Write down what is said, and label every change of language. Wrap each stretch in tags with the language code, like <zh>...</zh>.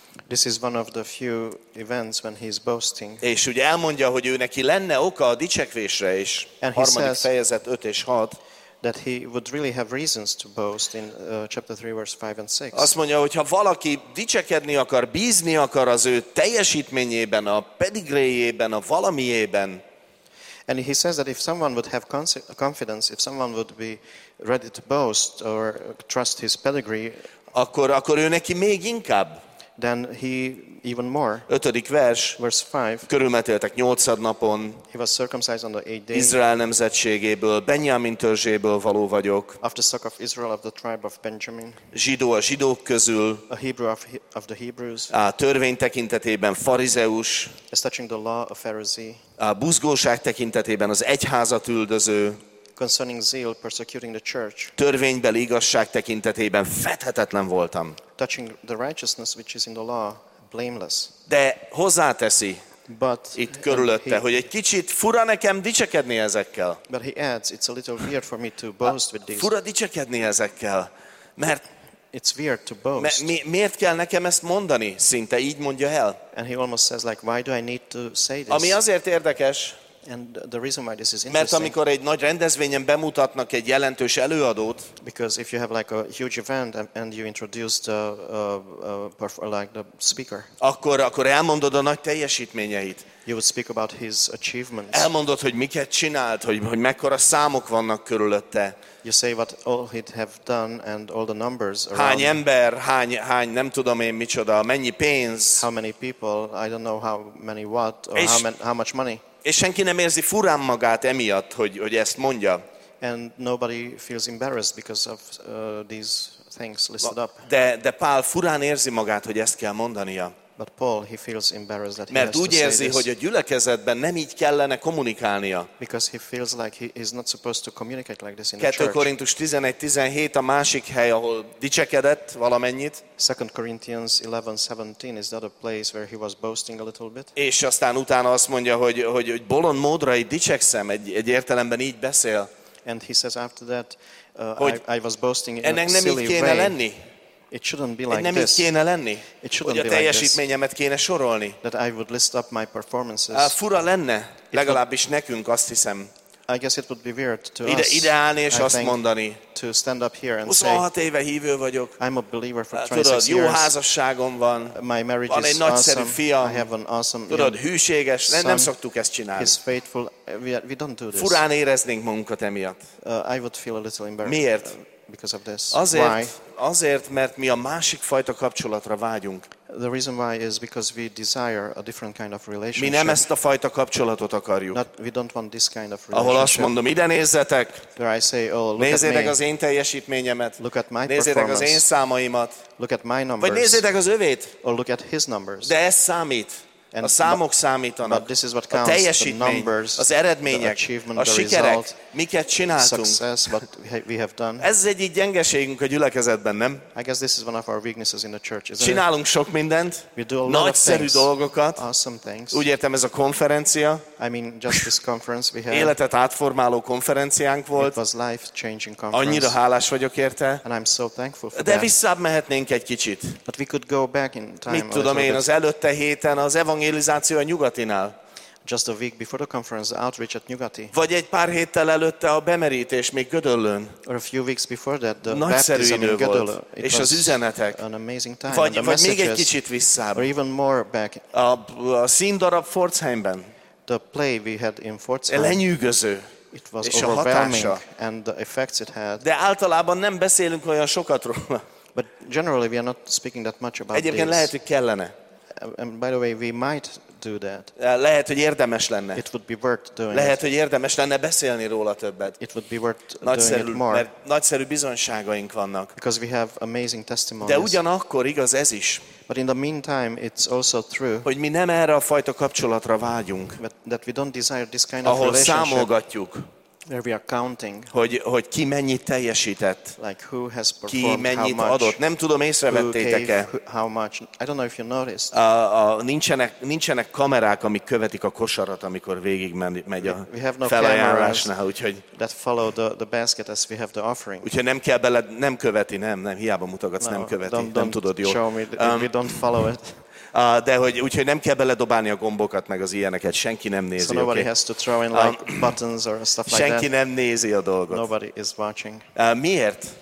<en>This is one of the few events when he is boasting.</en> <hu>És ugye elmondja, hogy ő neki lenne oka a dicsekvésre is.</hu> <en>And</en> <hu>harmadik fejezet 5 és 6.</hu> <en>That he would really have reasons to boast in chapter 3 verse 5 and 6.</en> <hu>Azt mondja, hogy ha valaki dicsekedni akar, bízni akar az ő teljesítményében, a pedigréjében, a valamiében.</hu> <en>And he says that if someone would have confidence, if someone would be ready to boast or trust his pedigree,</en> <hu>akkor ő neki még inkább.</hu> <en>Then he even more.</en> <hu>5. vers.</hu> <en>Verse 5.</en> <hu>Körülmetéltek 8. napon.</hu> <en>He was circumcised on the 8th day.</en> <hu>Izrael nemzetségéből, Benjamin törzséből való vagyok.</hu> <en>Of the stock of Israel, of the tribe of Benjamin.</en> <hu>Zsidó a zsidók közül.</hu> <en>A Hebrew of the Hebrews.</en> <hu>A törvény tekintetében farizeus.</hu> <en>As touching the law, a Pharisee.</en> <hu>A buzgóság tekintetében az egyházat üldöző.</hu> <en>Concerning zeal, persecuting the church.</en> <hu>Törvénybeli igazság tekintetében fethetetlen voltam.</hu> <en>Touching the righteousness which is in the law, blameless.</en> <hu>De hozzáteszi,</hu> <en>but</en> <hu>itt körülötte, hogy egy kicsit fura nekem dicsekedni ezekkel.</hu> <en>But he adds, it's a little weird for me to boast with these.</en> <hu>Fura dicsekedni ezekkel, mert</hu> <en>it's weird to boast.</en> <hu>Miért kell nekem ezt mondani? Szinte így mondja el.</hu> <en>And he almost says like, why do I need to say this?</en> <hu>Ami azért érdekes.</hu> <en>And the reason why this is interesting,</en> <hu>mert amikor egy nagy rendezvényen bemutatnak egy jelentős előadót,</hu> <en>because if you have like a huge event and you introduce the like the speaker,</en> <hu>akkor elmondod a nagy teljesítményeit.</hu> <en>You would speak about his achievements.</en> <hu>Elmondod, hogy miket csinált, hogy mekkora számok vannak körülötte.</hu> <en>You say what all he'd have done and all the numbers around.</en> <hu>Hány ember, hány nem tudom én micsoda, mennyi pénz.</hu> <en>How many people, I don't know how many what or how much money.</en> <hu>És senki nem érzi furán magát emiatt, hogy ezt mondja.</hu> <en>And nobody feels embarrassed because of these things listed up.</en> <hu>De Pál furán érzi magát, hogy ezt kell mondania.</hu> <en>But Paul, he feels embarrassed that he</en> <hu>mert</hu> <en>has</en> <hu>úgy</hu> <en>to</en> <hu>érzi,</hu> <en>say</en> <hu>hogy a gyülekezetben nem így kellene kommunikálnia.</hu> <en>Because he feels like he is not supposed to communicate like this in the</en> <hu>2 Korintus 11:17 a másik hely, ahol dicsekedett valamennyit.</hu> <en>2 Corinthians 11:17 is that a place where he was boasting a little bit.</en> <hu>És aztán utána azt mondja, hogy bolond módra így dicsekszem, egy értelemben így beszél.</hu> <en>And he says after that I was boasting in a</en> <hu>nem</hu> <en>silly</en> <hu>így kéne</hu> <en>way.</en> <hu>Lenni.</hu> <en>It shouldn't be like</en> <hu>nem</hu> <en>this.</en> <hu>Nem így kéne lenni.</hu> <en>It shouldn't</en> <hu>hogy a teljesítményemet</hu> <en>like this,</en> <hu>kéne sorolni.</hu> <en>That I would list up my performances.</en> <hu>Fura lenne, legalábbis nekünk, azt hiszem.</hu> <en>I guess it would be weird to</en> <hu>ide állni és azt mondani.</hu> <en>To stand up here and</en> <hu>26</hu> <en>say,</en> <hu>éve hívő vagyok.</hu> <en>I'm a believer for 26 years.</en> <hu>Jó házasságom van.</hu> <en>My marriage</en> <hu>van</hu> <en>is</en> <hu>egy nagyszerű</hu> <en>awesome.</en> <hu>Fiam.</hu> <en>I have an awesome</en> <hu>tudod, hűséges. Nem szoktuk ezt csinálni.</hu> <en>He's faithful. We don't do this.</en> <hu>Furán éreznénk magunkat emiatt.</hu> <en>I would feel a little embarrassed.</en> <hu>Miért?</hu> <en>Because of this.</en> <hu>Azért,</hu> <en>why?</en> <hu>Azért, mert mi a másik fajta kapcsolatra vágyunk.</hu> <en>The reason why is because we desire a different kind of relationship.</en> <hu>Mi nem ezt a fajta kapcsolatot akarjuk.</hu> <en>Not, we don't want this kind of</en> <hu>relationship. Ahol azt mondom, ide nézzetek.</hu> <en>Where I say, oh, look</en> <hu>nézzétek</hu> <en>at</en> <hu>az én teljesítményemet.</hu> <en>Look at my</en> <hu>nézzétek</hu> <en>performance.</en> <hu>Az én számaimat.</hu> <en>Look at my numbers.</en> <hu>Vagy nézzétek az övét.</hu> <en>Or look at his numbers.</en> <hu>De ez számít. And a számok számítanak.</hu> <en>But this is what counts,</en> <hu>a teljesítmény,</hu> <en>the numbers,</en> <hu>az eredmények,</hu> <en>the achievement,</en> <hu>a sikerek,</hu> <en>result,</en> <hu>miket csináltunk.</hu> <en>Success, what we have done.</en> <hu>Ez egyik gyengeségünk a gyülekezetben, nem?</hu> <en>I guess this is one of our weaknesses in the church, isn't</en> <hu>csinálunk</hu> <en>it?</en> <hu>Sok mindent.</hu> <en>We do a lot</en> <hu>nagyszerű</hu> <en>of things,</en> <hu>dolgokat.</hu> <en>Awesome things.</en> <hu>Úgy értem, ez a konferencia.</hu> <en>I mean, just this conference we had.</en> <hu>Életet átformáló konferenciánk volt.</hu> <en>It was life-changing conference.</en> <hu>Annyira hálás vagyok érte.</hu> <en>And I'm so thankful for</en> <hu>de visszább mehetnénk egy kicsit.</hu> <en>But we could go back in time.</en> <hu>Mit tudom én, az előtte héten az evangelizáció a Nyugatinál.</hu> <en>Just a week before the conference, the outreach at Nyugati.</en> <hu>Vagy egy pár héttel előtte a bemerítés még Gödöllőn.</hu> <en>Or a few weeks before that, the</en> <hu>nagyszerű</hu> <en>baptism</en> <hu>idő</hu> <en>in Gödöllő.</en> <hu>Volt.</hu> <en>It</en> <hu>és az üzenetek.</hu> <en>An amazing time.</en> <hu>Vagy</hu> <en>the messages,</en> <hu>még egy kicsit visszább.</hu> <en>Or even more back.</en> <hu>A színdarab Pforzheimben.</hu> <en>The play we had in Pforzheim.</en> <hu>Lenyűgöző.</hu> <en>It was overwhelming. And the effects it had.</en> <hu>De általában nem beszélünk olyan sokat róla.</hu> <en>But generally we are not speaking that much about</en> <hu>egyébként</hu> <en>this.</en> <hu>Lehet, hogy kellene.</hu> <en>And by the way, we might do that.</en> <hu>Lehet, hogy érdemes lenne.</hu> <en>It would be worth doing.</en> <hu>Lehet, hogy érdemes lenne beszélni róla többet.</hu> <en>It would be worth</en> <hu>nagyszerű,</hu> <en>doing it more.</en> <hu>Mert nagyszerű bizonyságaink vannak.</hu> <en>Because we have amazing testimonies.</en> <hu>De ugyanakkor igaz ez is.</hu> <en>But in the meantime, it's also true.</en> <hu>Hogy mi nem erre a fajta kapcsolatra vágyunk.</hu> <en>That we don't desire this kind of relationship.</en> <hu>Ahol számolgatjuk.</hu> <en>Where we are counting.</en> <hu>Hogy ki mennyit teljesített.</hu> <en>Like who has performed how much.</en> <hu>Ki mennyit adott. Nem tudom, észrevettétek-e.</hu> <en>How much. I don't know if you noticed.</en> <hu>Nincsenek kamerák, amik követik a kosarat, amikor végig megy a felajánlásnál. Úgyhogy</hu> <en>that follow the basket as we have the offering.</en> <hu>Úgyhogy nem kell bele, nem követi, nem. Hiába mutogatsz,</hu> <en>no,</en> <hu>nem követi.</hu> <en>Don't</en> <hu>nem tudod, jó.</hu> <en>Show me, we don't follow it.</en> <hu>De hogy úgyhogy nem kell beledobálni a gombokat meg az ilyeneket, senki nem nézi.</hu> <en>So nobody has to throw in like buttons or stuff like</en> <hu>senki</hu> <en>that.</en> <hu>Senki nem nézi a dolgot.</hu> <en>Nobody is watching.</en> <hu>Miért?</hu>